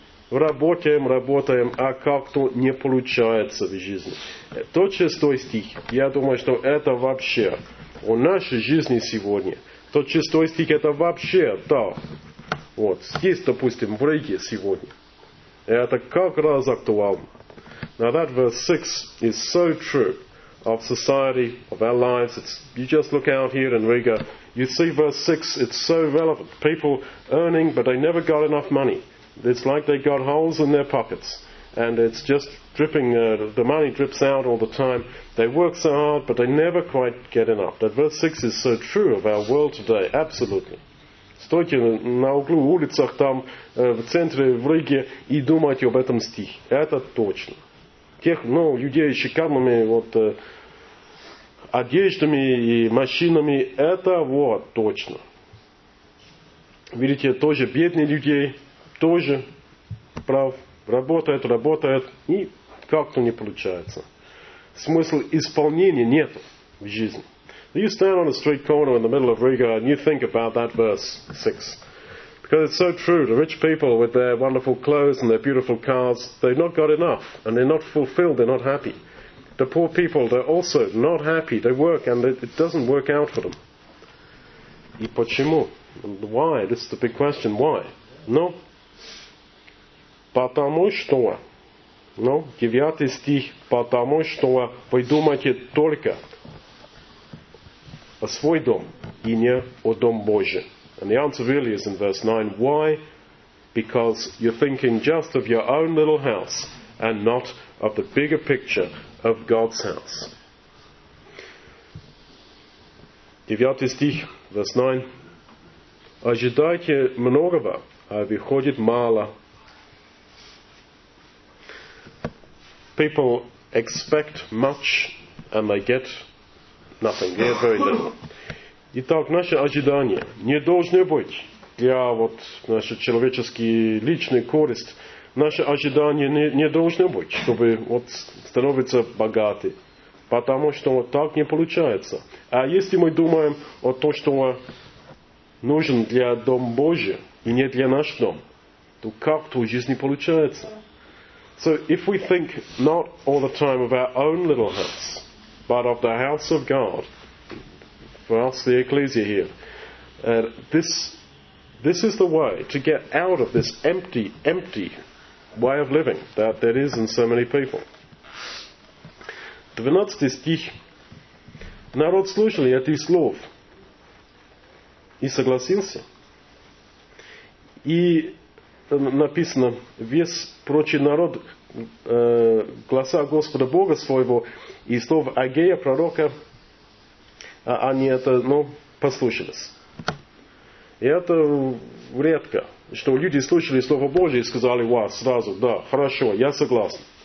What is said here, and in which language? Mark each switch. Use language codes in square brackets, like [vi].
[ru] Работаем, а как-то не получается в жизни. Тот шестой стих, я думаю, что это вообще о нашей жизни сегодня. Тот шестой стих, это вообще, да. Вот, здесь, допустим, в Риге сегодня. Это как раз актуально. [en] Now that verse 6 is so true of society, of our lives. You just look out here in Riga, you see verse 6, it's so relevant. People earning, but they never got enough money. It's like they got holes in their pockets. And it's just dripping, the money drips out all the time. They work so hard, but they never quite get enough. That verse 6 is so true of our world today, absolutely. [ru] Стойте на углу улицах там, в центре, в Риге, и думайте об этом стихе. Это точно. тех, ну, людей с шикарными вот одеждами и машинами, это вот точно. Видите, тоже бедные людей, тоже прав, работают, и как-то не получается. Смысл исполнения нет в жизни. [en] You stand on a street corner in the middle of Riga and you think about that verse 6. Because it's so true, the rich people with their wonderful clothes and their beautiful cars, they've not got enough and they're not fulfilled, they're not happy. The poor people, they're also not happy, they work and it doesn't work out for them. [ru] И почему? [en] Why? This is the big question, why? [ru] Ну, потому что, ну, 9 стих, потому что вы думаете только о свой дом и не о дом Божий. [en] And the answer really is in verse 9. Why? Because you're thinking just of your own little house and not of the bigger picture of God's house. [ru] 9 стих, [en] verse 9. [ru] Ожидайте многого, а выходит мало. [en] People expect much and they get nothing. They're very little. [ru] Итак, наше ожидание не должно быть для вот нашей человеческой личной корости. Наше ожидание не должно быть, чтобы вот становиться богатым. Потому что вот так не получается. А если мы думаем о том, что нужен для Дома Божия и не для нашего дома, то как-то в жизни получается. [en] So if we think not all the time of our own little house, but of the house of God, for us, the ecclesia here. This is the way to get out of this empty way of living that there is in so many people. [ru] 12 стих. Народ слушал этих слов и согласился. И написано, весь прочий народ голоса Господа Бога своего и слов Агея пророка, они это, ну, послушались. И это редко, что люди слушали Слово Божие и сказали, вау, сразу, да, хорошо, я согласен.